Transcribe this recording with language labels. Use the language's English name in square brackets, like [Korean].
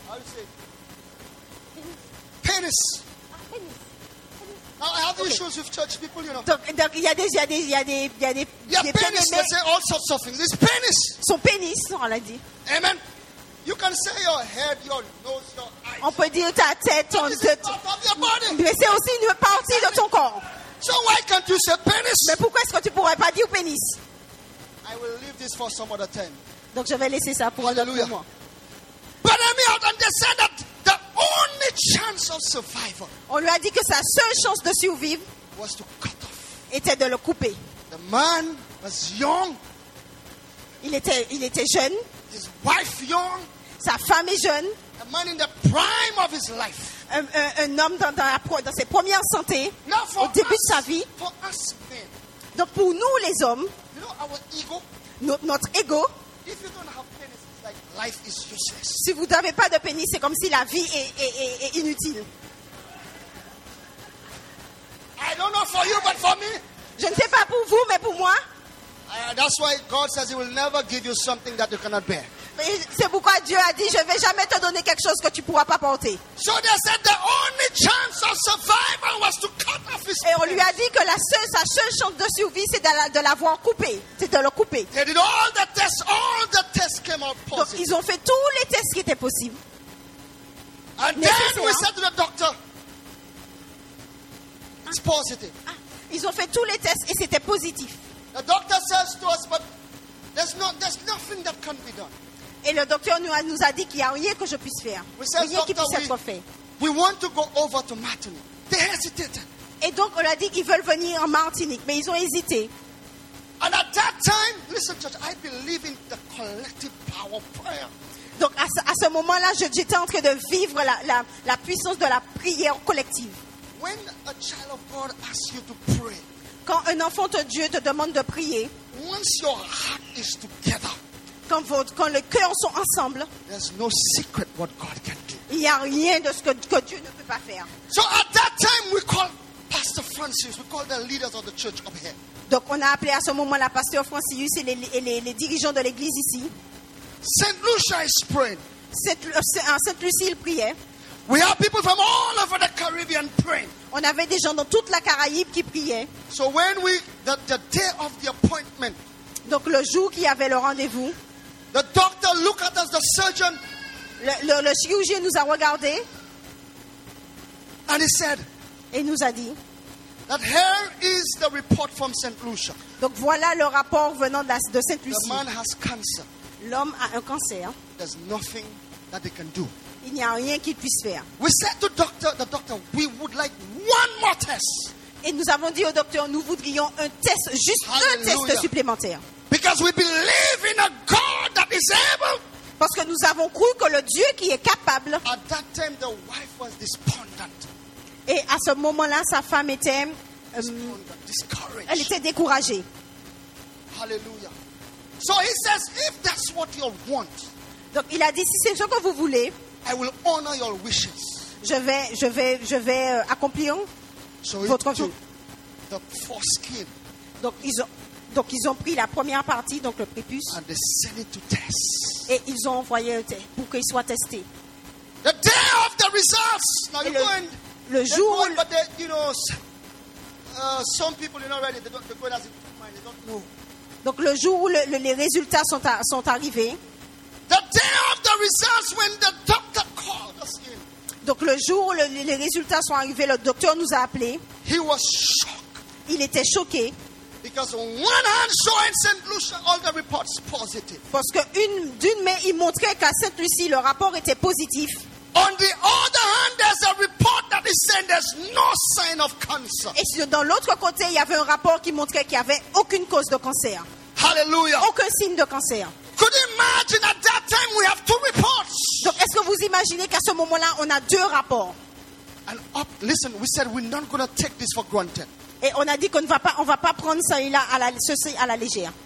[English] How do you say? Penis. Penis. I have issues with church people, you know. [French] Donc il y a des [English] penis. They say all sorts of things. It's penis. [French] Son pénis, on l'a dit. [English] Amen. You can say your head, your nose, your eyes. [French] On peut dire ta tête, ton corps. Mais c'est aussi une partie de ton corps. [English] So why can't you say penis? [French] Mais pourquoi est-ce que tu pourrais pas dire pénis? [English] I will leave this for some other time. [French] Donc je vais laisser ça pour un autre moment. [English] But I'm out and they said that the only chance of survival. [French] On lui a dit que sa seule chance de survivre [English] was to cut off. [French] Était de le couper. [English] The man was young. [French] Il était jeune. [English] His wife young. [French] Sa femme est jeune. [English] A man in the prime of his life. [French] Un homme dans ses premières santé. [English] Now for [French] au début [English] us, [French] de sa vie. [English] For us men, [French] donc pour nous les hommes. [English] You know our ego, [French] notre ego. [English] If you don't have pénis, it's like life is useless. [French] Si vous n'avez pas de pénis, c'est comme si la vie est inutile. [English] I don't know for you, but for me, [French] je ne sais pas pour vous, mais pour moi. [English] That's why God says He will never give you something that you cannot bear. [French] C'est pourquoi Dieu a dit, je vais jamais te donner quelque chose que tu pourras pas porter. [English] So they said the only chance of survival was to cut off his. [French] Et on lui a dit que sa seule chance de survie c'est de l'avoir coupé, c'est de le couper. [English] They did all the tests came out positive. [French] Donc ils ont fait tous les tests qui étaient possibles. [English] And then we said to the doctor, it's positive. [French] Ils ont fait tous les tests et c'était positif. [English] The doctor says to us, but there's nothing that can be done. [French] Et le docteur nous a dit qu'il n'y a rien que je puisse faire. [English] Says, [French] rien qui puisse être fait. [English] We want to go over to Martinique. They hesitated. [French] Et donc on a dit qu'ils veulent venir en Martinique, mais ils ont hésité. [English] And at that time, listen, church, I believe in the collective power of prayer. [French] Donc à ce moment-là, j'étais en train de vivre la puissance de la prière collective. [English] When a child of God asks you to pray. [French] Quand un enfant de Dieu te demande de prier, [English] once your heart is together, [French] quand les cœurs sont ensemble, [English] there's no secret what God can do. [French] Il n'y a rien de ce que Dieu ne peut pas faire. [English] So at that time we call Pastor Francis, we call the leaders of the church up here. [French] Donc on a appelé à ce moment-là Pasteur Francis et les dirigeants de l'église ici. [English] Saint Lucia is praying. [French] Sainte Lucie, il priait. [English] We have people from all over the Caribbean praying. [French] On avait des gens dans toute la Caraïbe qui priaient. [English] So when we the day of the appointment. [French] Donc le jour qui avait le rendez-vous. [English] The doctor looked at us, the surgeon. [French] Le chirurgien nous a regardé. [English] And he said. [French] Et nous a dit. [English] That here is the report from Saint Lucia. [French] Donc voilà le rapport venant de Sainte Lucie. [English] The man has cancer. [French] L'homme a un cancer. [English] There's nothing that they can do. [French] Il n'y a rien qu'il puisse faire. [English] We said to the doctor, we would like one more test. [French] Et nous avons dit au docteur, nous voudrions un test, juste [English] Hallelujah. [French] Un test supplémentaire. [English] Because we believe in a God that is able. [French] Parce que nous avons cru que le Dieu qui est capable. [English] At that time, the wife was despondent. [French] Et à ce moment-là, sa femme était, elle était découragée. [English] Hallelujah. So he says, if that's what you want, [French] donc il a dit, si c'est ce que vous voulez, [English] I will honor your wishes. [French] Je vais accomplir [English] so [French] votre vœu. [English] The foreskin. [French] Donc ils ont pris la première partie, donc le prépuce, [English] and they sent it to test. [French] Et ils ont envoyé un test pour qu'il soit testé. [English] The day of the results. Now you're going. [French] Le jour [English] going, but they, you know, some people are not ready. They go as it might. They don't know. [French] Donc le jour où les résultats sont arrivés. [English] The day of the results when the doctor called us in. [French] Donc le jour où les résultats sont arrivés, le docteur nous a appelés. [English] He was shocked. [French] Il était choqué. [English] Because one hand showing Saint Lucia all the reports positive. [French] Parce que d'une main il montrait qu'à Saint Lucie le rapport était positif. [English] On the other hand, there's a report that is saying there's no sign of cancer. [French] Et dans l'autre côté, il y avait un rapport qui montrait qu'il y avait aucune cause de cancer. [English] Hallelujah. [French] Aucun signe de cancer. [English] Could you imagine at that time we have two reports? [French] Donc est-ce que vous imaginez qu'à ce moment-là on a deux rapports? [English] And listen, we said we're not going to take this for granted. [French] Et on a dit qu'on ne va pas, prendre ceci à la légère.